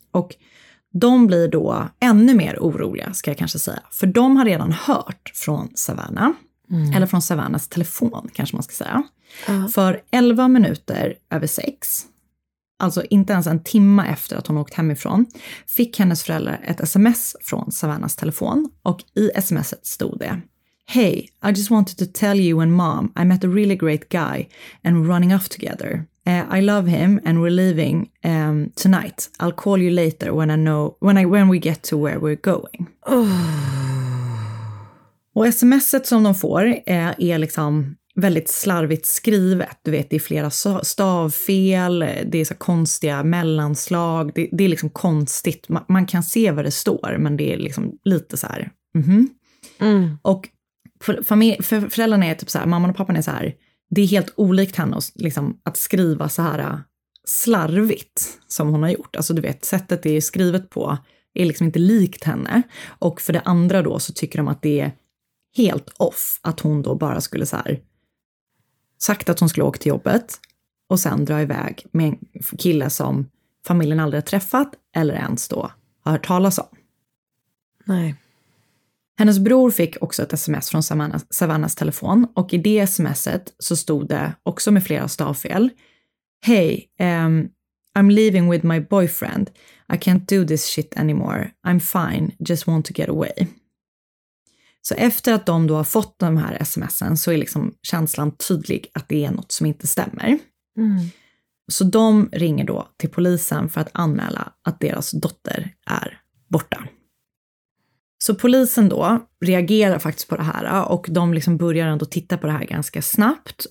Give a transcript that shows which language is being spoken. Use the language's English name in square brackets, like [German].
[Swedish] Och de blir då ännu mer oroliga, ska jag kanske säga. För de har redan hört från Savannah. Mm. Eller från Savannahs telefon, kanske man ska säga. Uh-huh. För 6:11, alltså inte ens en timme efter att hon åkt hemifrån, fick hennes föräldrar ett sms från Savannahs telefon. Och i smset stod det: [English] "Hey, I just wanted to tell you and mom I met a really great guy and running off together. I love him and we're leaving tonight. I'll call you later when we get to where we're going." [Swedish] Och smset som de får är liksom väldigt slarvigt skrivet. Du vet, det är flera stavfel, det är så konstiga mellanslag. Det är liksom konstigt. Man kan se vad det står, men det är liksom lite så här. Mm-hmm. Mm. Och föräldrarna är typ så här, mamman och pappan är så här: det är helt olikt henne liksom, att skriva så här slarvigt som hon har gjort. Alltså du vet, sättet det är skrivet på är liksom inte likt henne. Och för det andra då så tycker de att det är helt off att hon då bara skulle så här sagt att hon skulle åka till jobbet och sen dra iväg med en kille som familjen aldrig har träffat eller ens då har hört talas om. Nej. Hennes bror fick också ett sms från Savannas telefon och i det smset så stod det också med flera stavfel: [English] "Hey, I'm leaving with my boyfriend. I can't do this shit anymore. I'm fine, just want to get away." [Swedish] Så efter att de då har fått de här smsen så är liksom känslan tydlig att det är något som inte stämmer. Mm. Så de ringer då till polisen för att anmäla att deras dotter är borta. Så polisen då reagerar faktiskt på det här och de liksom börjar ändå titta på det här ganska snabbt.